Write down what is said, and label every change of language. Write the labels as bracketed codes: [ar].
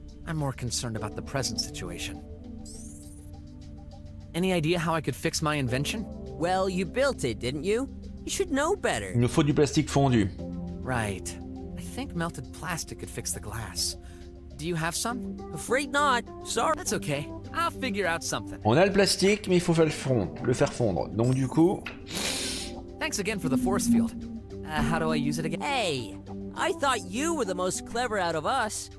[en] I'm more concerned about the present situation. Any idea how I could fix my invention? Well, you built it, didn't you? You should know better. [fr] Il nous faut du plastique fondu. [en] Right. I think melted plastic could fix the glass. Do you have some? Afraid not. Sorry. That's okay. I'll figure out something. [fr] On a le plastique, mais il faut faire le fondre. Donc du coup... [en] Thanks again for the force field. How do I use it again? Hey, I thought you were the most clever out of us.